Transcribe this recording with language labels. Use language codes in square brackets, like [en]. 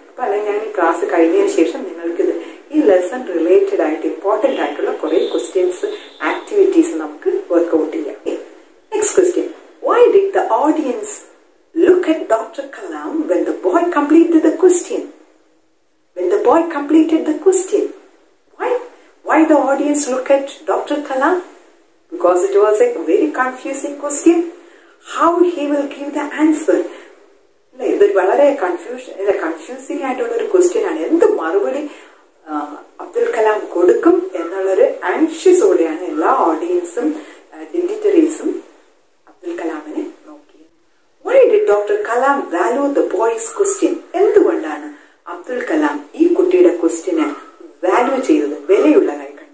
[ml] അപ്പൊ അല്ലെങ്കിൽ ഞാൻ ഈ ക്ലാസ് കഴിഞ്ഞതിന് ശേഷം നിങ്ങൾക്ക് ഈ ലെസൺ റിലേറ്റഡ് ആയിട്ട് ഇമ്പോർട്ടന്റ് ആയിട്ടുള്ള കുറെ ക്വസ്റ്റ്യൻസ് ആക്ടിവിറ്റീസ് നമുക്ക് വർക്ക്ഔട്ട് ചെയ്യാം. [en] Next question, why did the audience look at doctor Kalam when the boy completed the question? When the boy completed the question, why the audience look at doctor Kalam? Because it was a very confusing question. How he will give the answer? [ml] ഇതൊരു വളരെ confusing ആയിട്ടുള്ള ഒരു question ആണ്. എന്ത് മറുപടി അബ്ദുൽ കലാം കൊടുക്കും എന്നുള്ളൊരു ആൻഷ്യസോടെയാണ് എല്ലാ ഓഡിയൻസും ഡിഗ്നിറ്ററീസും അബ്ദുൽ കലാമിനെ നോക്കിയത്. [en] Why did Dr. Kalam value the boy's question? [ml] എന്തുകൊണ്ടാണ് അബ്ദുൽ കലാം ഈ കുട്ടിയുടെ ക്വസ്റ്റ്യനെ വാല്യൂ ചെയ്തത്, വിലയുള്ളതായി?